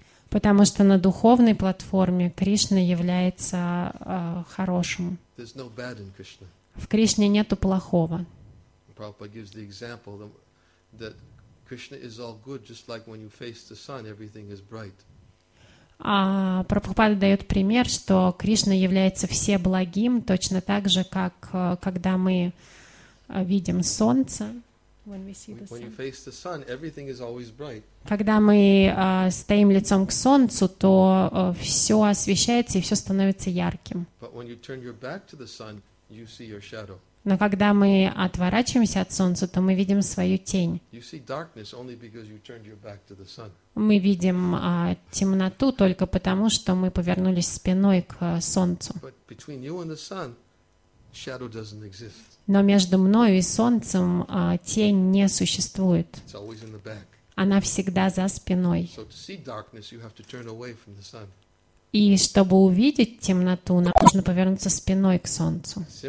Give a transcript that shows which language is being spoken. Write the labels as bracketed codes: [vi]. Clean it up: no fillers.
[ru] Потому что на духовной платформе Кришна является хорошим. В Кришне нету плохого. [en] Прабхупада gives the example that Krishna is all good, just like when you face the sun, everything is bright. [ru] Прабхупада дает пример, что Кришна является всеблагим, точно так же, как когда мы видим солнце. [en] When you face the sun, everything is always bright. [ru] Когда мы стоим лицом к солнцу, то все освещается и все становится ярким. [en] But when you turn your back to the sun, you see your shadow. [ru] Но когда мы отворачиваемся от солнца, то мы видим свою тень. [en] You see darkness only because you turned your back to the sun. [ru] Мы видим темноту только потому, что мы повернулись спиной к солнцу. [en] But between you and the sun, shadow doesn't exist. [ru] Но между мною и солнцем тень не существует. [en] It's always in the back. [ru] Она всегда за спиной. [en] So to see darkness, you have to turn away from the sun. [ru] И чтобы увидеть темноту, нам нужно повернуться спиной к солнцу.